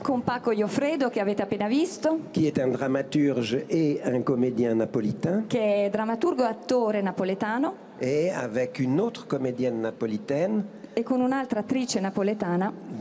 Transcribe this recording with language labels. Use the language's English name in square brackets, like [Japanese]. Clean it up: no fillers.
[Italian] Con Paco Ioffredo, che avete appena visto. [French] Qui est un dramaturge et un comédien napolitain. [Italian] Che è drammaturgo e attore napoletano. [French] Et avec une autre comédienne napolitaine. [Italian] E con un'altra attrice napoletana.